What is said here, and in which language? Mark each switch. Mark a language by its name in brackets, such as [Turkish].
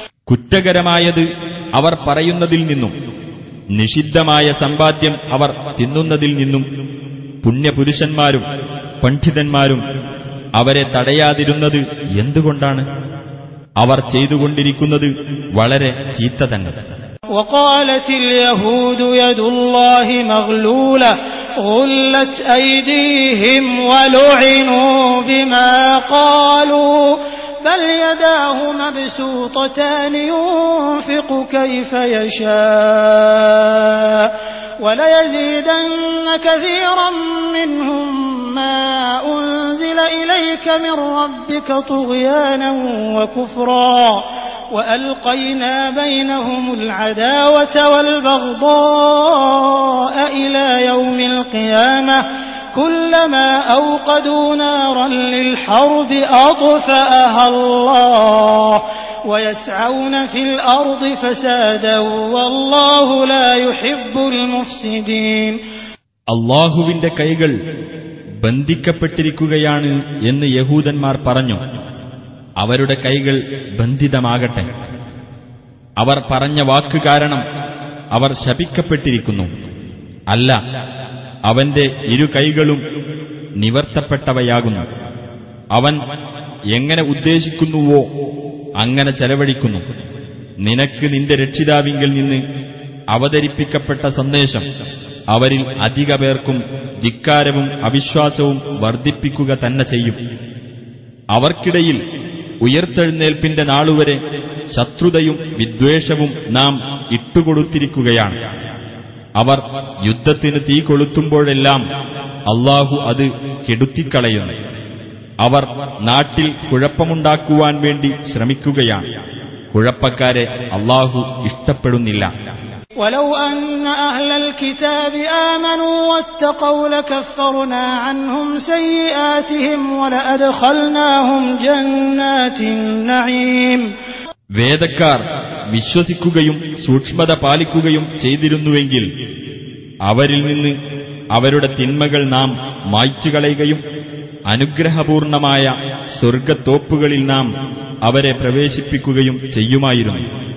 [Malayalam] കുറ്റകരമായത് അവർ പറയുന്നതിൽ നിന്നും നിഷിദ്ധമായ സമ്പാദ്യം അവർ തിന്നുന്നതിൽ നിന്നും പുണ്യപുരുഷന്മാരും പണ്ഡിതന്മാരും അവരെ തടയാതിരുന്നത് എന്തുകൊണ്ടാണ്? അവർ ചെയ്തുകൊണ്ടിരിക്കുന്നത് വളരെ ചീത്ത തന്നെ. [Arabic] وقالت اليهود يد الله مغلولة غلت ايديهم ولعنوا بما قالوا بل يداه مبسوطتان ينفق كيف يشاء وليزيدن كثيرا منهم ما أنزل إليك من ربك طغيانا وكفرا وألقينا بينهم العداوة والبغضاء إلى يوم القيامة كلما أوقدوا نارا للحرب أطفأها الله ويسعون في الأرض فسادا والله لا يحب المفسدين [Malayalam] الله വിന്റെ കൈകൾ ബന്ധിക്കപ്പെട്ടിരിക്കുകയാണ് എന്ന് യഹൂദന്മാർ പറഞ്ഞു. അവരുടെ കൈകൾ ബന്ധിതമാകട്ടെ. അവർ പറഞ്ഞ വാക്ക് കാരണം അവർ ശപിക്കപ്പെട്ടിരിക്കുന്നു. അല്ല, അവന്റെ ഇരുകൈകളും നിവർത്തപ്പെട്ടവയാകുന്നു. അവൻ എങ്ങനെ ഉദ്ദേശിക്കുന്നുവോ അങ്ങനെ ചെലവഴിക്കുന്നു. നിനക്ക് നിന്റെ രക്ഷിതാവിങ്കിൽ നിന്ന് അവതരിപ്പിക്കപ്പെട്ട സന്ദേശം അവരിൽ അധിക പേർക്കും ധിക്കാരവും അവിശ്വാസവും വർദ്ധിപ്പിക്കുക തന്നെ ചെയ്യും. അവർക്കിടയിൽ ഉയർത്തെഴുന്നേൽപ്പിന്റെ നാളുവരെ ശത്രുതയും വിദ്വേഷവും നാം ഇട്ടുകൊടുത്തിരിക്കുകയാണ്. അവർ യുദ്ധത്തിന് തീ കൊളുത്തുമ്പോഴെല്ലാം അല്ലാഹു അത് കെടുത്തിക്കളയുന്നു. അവർ നാട്ടിൽ കുഴപ്പമുണ്ടാക്കുവാൻ വേണ്ടി ശ്രമിക്കുകയാണ്. കുഴപ്പക്കാരെ അല്ലാഹു ഇഷ്ടപ്പെടുന്നില്ല. ولو أن أهل الكتاب آمنوا واتقوا لكفرنا عنهم سيئاتهم ولأدخلناهم جنات النعيم വേദക്കാർ വിശ്വസിക്കുകയും സൂക്ഷ്മത പാലിക്കുകയും ചെയ്തിരുന്നുവെങ്കിൽ അവരിൽ നിന്ന് അവരുടെ തിന്മകൾ നാം മായ്ച്ചു കളയുകയും അനുഗ്രഹപൂർണമായ സ്വർഗത്തോപ്പുകളിൽ നാം അവരെ പ്രവേശിപ്പിക്കുകയും ചെയ്യുമായിരുന്നു.